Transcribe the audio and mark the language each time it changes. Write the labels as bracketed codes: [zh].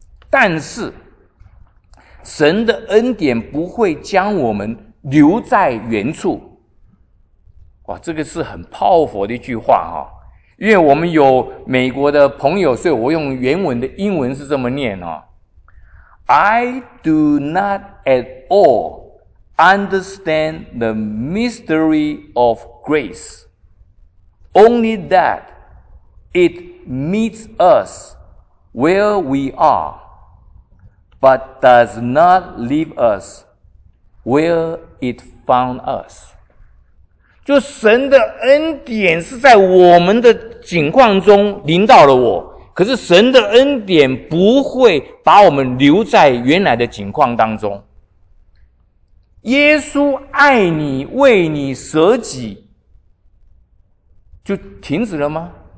[zh] 但是神的恩典不会将我们留在原处。哇，这个是很 powerful 的一句话啊，因为我们有美国的朋友，所以我用原文的英文是这么念啊。 [en] I do not at all understand the mystery of grace, only that it meets us where we are, but does not leave us where it found us. [zh] 就神的恩典是在我们的境况中临到了我，可是神的恩典不会把我们留在原来的境况当中。耶稣爱你，为你舍己，就停止了吗？